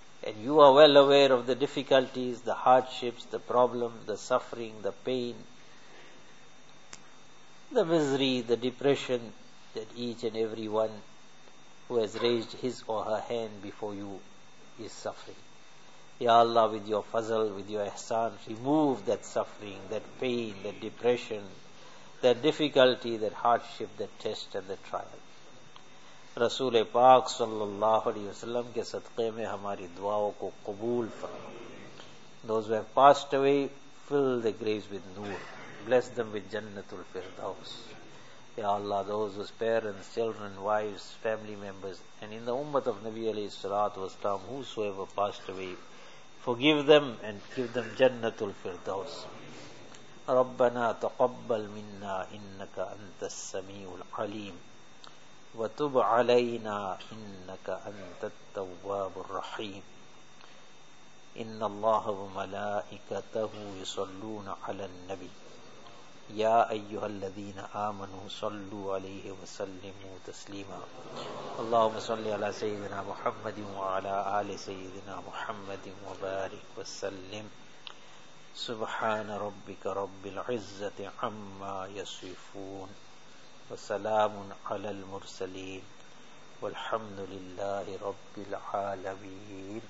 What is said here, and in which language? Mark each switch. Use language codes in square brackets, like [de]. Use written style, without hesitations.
[en] And you are well aware of the difficulties, the hardships, the problem, the suffering, the pain, the misery, the depression that each and every one who has raised his or her hand before you is suffering. Ya Allah, with your fazl, with your ihsan, remove that suffering, that pain, that depression, that difficulty, that hardship, that test and the trial. [ur] رسول پاک صلی اللہ علیہ وسلم کے صدقے میں ہماری دعاؤں کو قبول فرما. [en] Those who have passed away, fill the graves with noor. Bless them with Jannat al-Firdaus. Ya Allah, those whose parents, children, wives, family members, and in the ummah of Nabi alayhi salat wa salam, whosoever passed away, forgive them and give them Jannat al-Firdaus. [ar] رَبَّنَا تَقَبَّلْ مِنَّا إِنَّكَ أَنْتَ السَّمِيعُ الْعَلِيمُ وَتُبْ عَلَيْنَا إِنَّكَ أَنْتَ التَّوَّابُ الرَّحِيمُ إِنَّ اللَّهَ وَمَلَائِكَتَهُ يُصَلُّونَ عَلَى النَّبِيِّ يَا أَيُّهَا الَّذِينَ آمَنُوا صَلُّوا عَلَيْهِ وَسَلِّمُوا تَسْلِيمًا اللهم صل على سيدنا محمد وعلى آل سيدنا محمد وبارك وسلم سبحان ربك رب العزة عما يصفون وسلام على المرسلين والحمد لله رب العالمين.